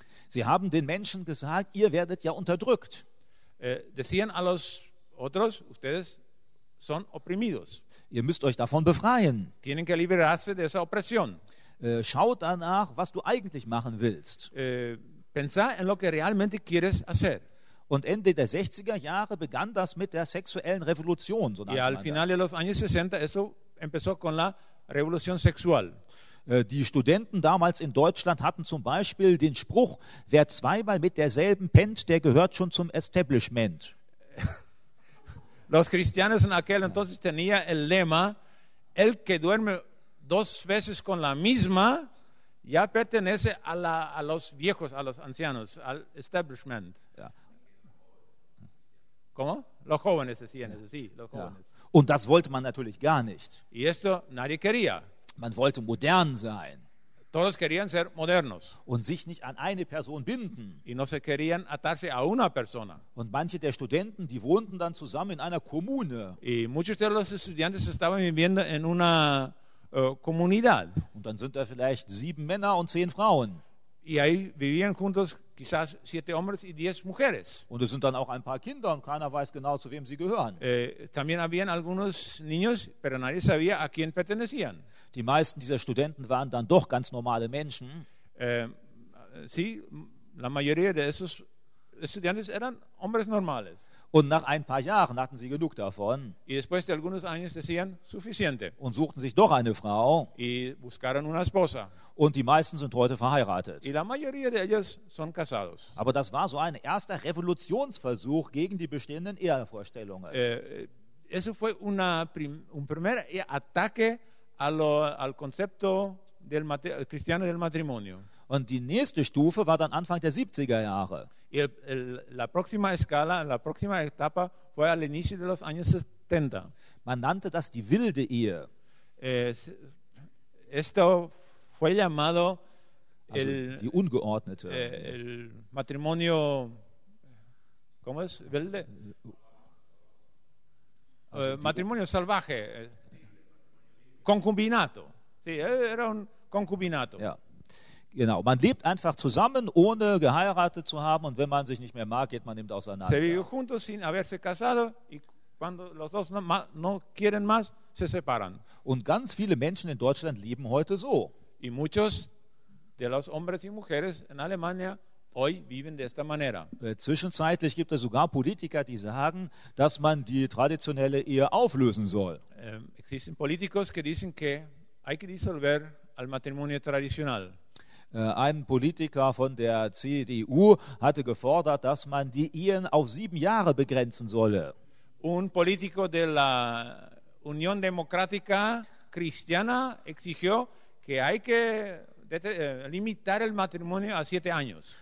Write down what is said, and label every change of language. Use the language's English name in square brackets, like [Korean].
[German] Sie haben den Menschen gesagt, ihr werdet ja unterdrückt. [Spanish] Decían a los otros, ustedes son oprimidos. [German] Ihr müsst euch davon befreien. [Spanish] Tienen que liberarse de esa opresión. [German] Schaut danach, was du eigentlich machen willst. [Spanish] Pensar en lo que realmente quieres hacer. [German] Und Ende der 60er Jahre begann das mit der sexuellen Revolution. So [Spanish] y al final de los años 60 eso empezó con la revolución sexual. [German] Die Studenten damals in Deutschland hatten zum Beispiel den Spruch, wer zweimal mit derselben pennt, der gehört schon zum Establishment. [Spanish] Los cristianos en aquel entonces tenía el lema, el que duerme dos veces con la misma, ya pertenece a los viejos, a los ancianos, al Establishment. [German] Ja. [Spanish] ¿Cómo? Los jóvenes decían eso, sí, los jóvenes. [German] Ja. Und das wollte man natürlich gar nicht. [Spanish] Y esto nadie quería. [German] Man wollte modern sein. [Spanish] Todos querían ser modernos. [German] Und sich nicht an eine Person binden. [Spanish] Y no se querían atarse a una persona. [German] Und manche der Studenten, die wohnten dann zusammen in einer Kommune. [Spanish] Y muchos de los estudiantes estaban viviendo en una comunidad. [German] Und dann sind da vielleicht 7 Männer und 10 Frauen. [Spanish] Y ahí vivían juntos quizás 7 hombres y 10 mujeres. [German] Und es sind dann auch ein paar Kinder und keiner weiß genau, zu wem sie gehören. [Spanish] También habían algunos niños, pero nadie sabía a quién pertenecían. [German] Die meisten dieser Studenten waren dann doch ganz normale Menschen. [Spanish] Sí, la mayoría de esos estudiantes eran hombres normales. [German] Und nach ein paar Jahren hatten sie genug davon. [Spanish] Y después de algunos años decían suficiente. [German] Und suchten sich doch eine Frau. [Spanish] Y buscaron una esposa. [German] Und die meisten sind heute verheiratet. [Spanish] Y la mayoría de ellos son casados. [German] Aber das war so ein erster Revolutionsversuch gegen die bestehenden Ehevorstellungen. [Spanish] Eso fue una un primer ataque al concepto del cristiano del matrimonio. [German] Und die nächste Stufe war dann Anfang der 70er Jahre. [Spanish] La próxima escala, la próxima etapa fue al inicio de los años 70. [German] Man nannte das die wilde Ehe. [Spanish] Esto fue llamado el, [German] also die ungeordnete. [Spanish] El matrimonio, ¿cómo es? Wilde. Matrimonio salvaje. Concubinato. Sí, era un concubinato. [German] Ja. Genau, man lebt einfach zusammen, ohne geheiratet zu haben, und wenn man sich nicht mehr mag, geht man eben auseinander. [Spanish] Se vive juntos sin haberse casado, y cuando los dos no quieren más, se separan. [German] Und ganz viele Menschen in Deutschland leben heute so. [Spanish] Y muchos de los hombres y mujeres en Alemania hoy viven de esta manera. [German] Zwischenzeitlich gibt es sogar Politiker, die sagen, dass man die traditionelle Ehe auflösen soll. [Spanish] Existen políticos que dicen que hay que disolver al matrimonio tradicional. [German] Ein Politiker von der CDU hatte gefordert, dass man die Ehen auf 7 Jahre begrenzen solle. [Spanish] Un político de la Unión Democrática Cristiana exigió que hay que limitar el matrimonio a 7 años.